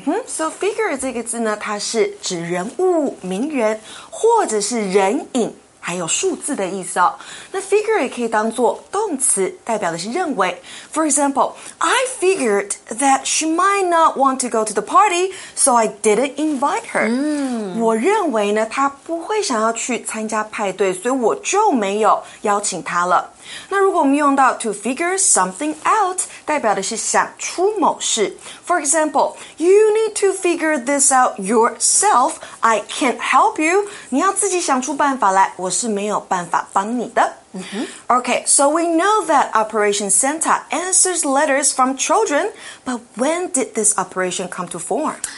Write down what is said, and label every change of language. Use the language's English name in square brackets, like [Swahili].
[Chinese] So figure 这个字呢，它是指人物、名人，或者是人影，还有数字的意思哦。那 figure 也可以当作动词，代表的是认为。 [English] For example, I figured that she might not want to go to the party, so I didn't invite her. [Chinese] 我认为呢，她不会想要去参加派对，所以我就没有邀请她了。那如果我们用到 [English] to figure something out, [Chinese] 代表的是想出某事。 [English] For example, you need to figure this out yourself. I can't help you. [Chinese] 你要自己想出办法来，我是没有办法帮你的。Mm-hmm. [English] Okay, so we know that Operation Santa answers letters from children, but when did this operation come to form?